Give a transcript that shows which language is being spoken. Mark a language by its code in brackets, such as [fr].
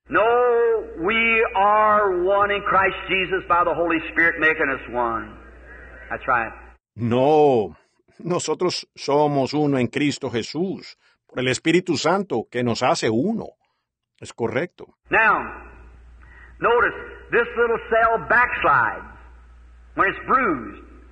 [en] No, we are one in Christ Jesus by the Holy Spirit making us one. That's right. [es] No, nosotros somos uno en Cristo Jesús por el Espíritu Santo que nos hace uno. Es correcto. [en] Now, notice, this little cell backslides when it's bruised.